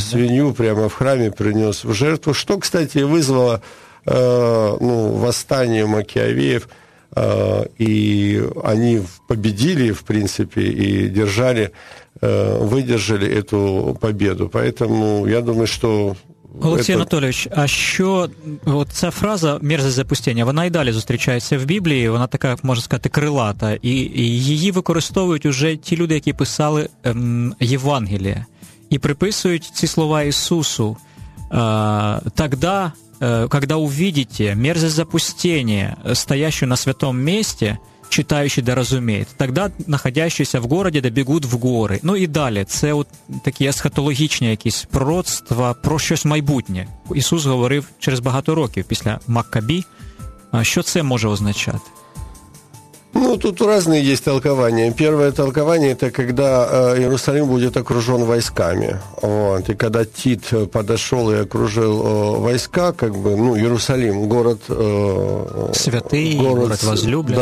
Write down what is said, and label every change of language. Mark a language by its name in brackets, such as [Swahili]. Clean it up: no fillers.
[Russian] Свинью, да? Прямо в храме принес в жертву, что, кстати, вызвало восстание Макиавеев. И они победили, в принципе, и держали, выдержали эту победу. Поэтому я думаю, что... [Ukrainian] Олексій Анатолійович, а що от ця фраза «мерзость запустення», вона і далі зустрічається в Біблії, вона така, можна сказати, крилата, і її використовують уже ті люди, які писали Євангеліє, і приписують ці слова Ісусу. [Russian] Тогда... Когда увидите мерзость запустения, стоящую на святом месте, читающий да разумеет. Тогда находящийся в городе да бегут в горы. Ну и далее. [Ukrainian] Це от такі есхатологічні якісь пророцтва про щось майбутнє. Ісус говорив через багато років після Маккабі. Що це може означати? [Russian] Ну, тут разные есть толкования. Первое толкование – это когда Иерусалим будет окружен войсками. Вот. И когда Тит подошел и окружил войска, как бы, ну, Иерусалим, город... Святый, город возлюбленный.